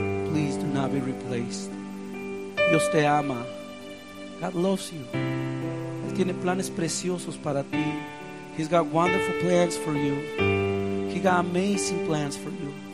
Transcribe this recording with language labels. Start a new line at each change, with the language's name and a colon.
English: Please do not be replaced.
Spanish: Dios te ama.
English: God loves you.
Spanish: Él tiene planes preciosos para ti.
English: He's got wonderful plans for you. He got amazing plans for you.